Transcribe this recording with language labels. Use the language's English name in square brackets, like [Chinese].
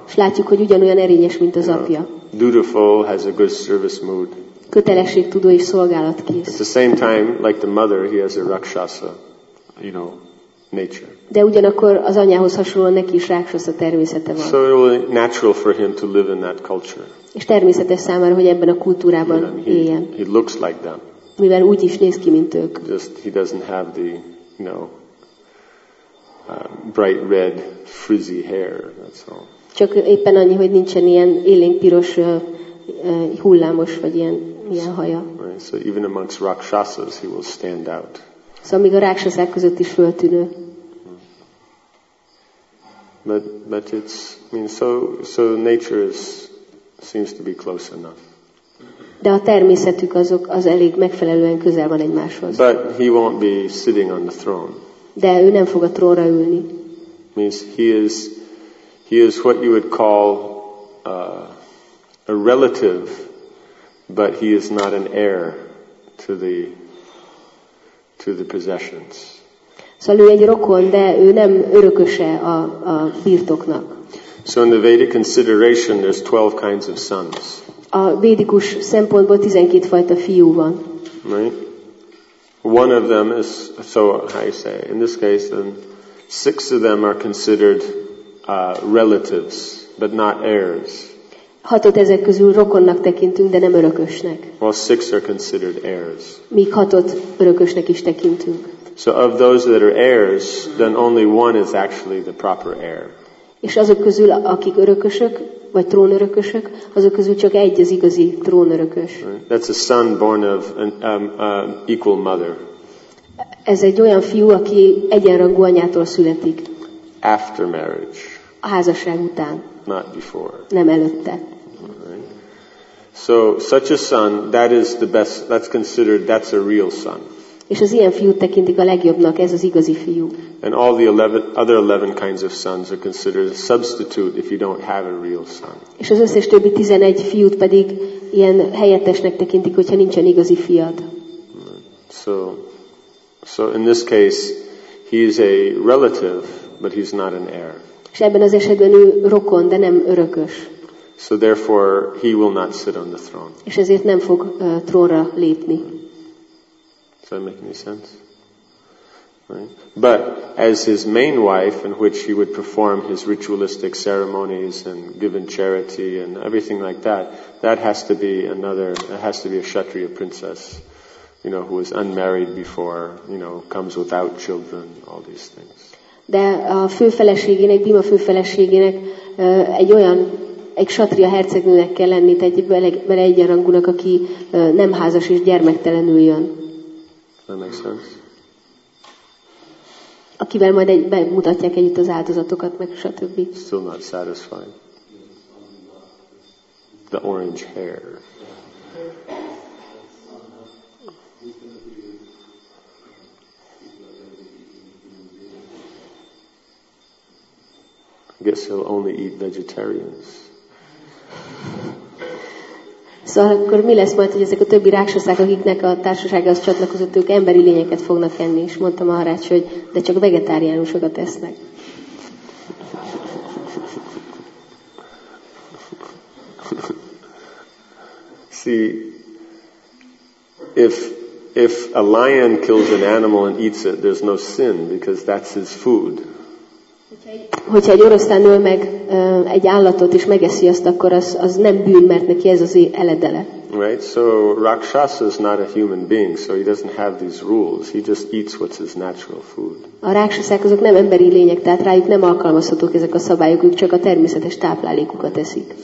[Hungarian] És látjuk, hogy ugyanolyan erényes, mint az apja. [English] Dutiful, has a good service mood. [Hungarian] Kötelességtudó és szolgálatkész. [English] At the same time, like the mother, he has a rakshasa, you know, nature. [Hungarian] De ugyanakkor az anyához hasonlóan neki is rakshasa természete van. [English] So it will be natural for him to live in that culture. [Hungarian] És természetes számára, hogy ebben a kultúrában éljen. [English] He looks like them. [Hungarian] Mivel úgy is néz ki, mint ők. [English] Just he doesn't have the, you know, bright red frizzy hair. That's all. [Hungarian] Csak éppen annyi, hogy nincsen ilyen élénkpiros hullámos vagy ilyen haja. [English] Right, so even amongst rakshasas he will stand out. [Hungarian] So még a rakshasák között is föltűnő. [English] But it's, I mean, so nature is seems to be close enough. [Hungarian] De a természetük az elég megfelelően közel van egymáshoz. [English] But he won't be sitting on the throne. [Hungarian] De ő nem fog a trónra ülni. [English] Means he is what you would call a relative, but he is not an heir to the possessions. [Hungarian] Szóval ő egy rokon, de ő nem örököse a birtoknak. [English] So in the Vedic consideration, there's 12 kinds of sons. [Hungarian] A védikus szempontból 12 fajta fiú van. [English] Right. One of them is, so how you say, in this case, then 6 of them are considered relatives, but not heirs. [Hungarian] Hatot ezek közül rokonnak tekintünk, de nem örökösnek. [English] Well, 6 are considered heirs. [Hungarian] Míg hatot örökösnek is tekintünk. [English] So of those that are heirs, then only one is actually the proper heir. [Hungarian] És azok közül, akik örökösök, vagy trónörökösök, azok közül csak egy az igazi trónörökös. [English] That's a son born of an equal mother. [Hungarian] Ez egy olyan fiú, aki egyenrangú anyától születik. [English] After marriage. [Hungarian] A házasság után. [English] Not before. [Hungarian] Nem előtte. [English] So such a son, that is the best, that's considered, that's a real son. [Hungarian] És az ilyen fiút tekintik a legjobbnak, ez az igazi fiú. [English] And all the 11, other 11 kinds of sons are considered a substitute if you don't have a real son. [Hungarian] És az összes többi 11 fiút pedig ilyen helyettesnek tekintik, hogyha nincsen igazi fiad. [English] So in this case, he is a relative, but he's not an heir. [Hungarian] És ebben az esetben ő rokon, de nem örökös. [English] So therefore, he will not sit on the throne. [Hungarian] És ezért nem fog trónra lépni. [English] Does that make any sense? Right. But as his main wife, in which he would perform his ritualistic ceremonies and given charity and everything like that, that has to be another. It has to be a Kshatriya princess, you know, who was unmarried before, you know, comes without children, all these things. [Hungarian] De a főfeleségének, Bhima főfeleségének egy olyan egy ksatria hercegnőnek kell lenni, tehát egy bele egyenrangúnak, aki nem házas és gyermektelenül jön. [English] That makes sense. [Hungarian] Akivel majd egy, bemutatják együtt az áldozatokat, meg stb. [English] Still not satisfied. The orange hair. I guess he'll only eat vegetarians. [Hungarian] Szóval akkor mi lesz majd, hogy ezek a többi rákszaszák, akiknek a társasághoz csatlakozott, ők emberi lényeket fognak enni, és mondtam arra, hogy de csak vegetáriánusokat esznek. [English] See, if a lion kills an animal and eats it, there's no sin, because that's his food. [Hungarian] Hogyha egy oroszlán öl meg egy állatot és megeszi azt, akkor az nem bűn, mert neki ez az eledele. [English] Right, so Rakshasa is not a human being, so he doesn't have these rules. He just eats what's his natural food. [Hungarian] A rákszaszák azok nem emberi lények, tehát rájuk nem alkalmazhatók ezek a szabályok, ők csak a természetes táplálékukat eszik.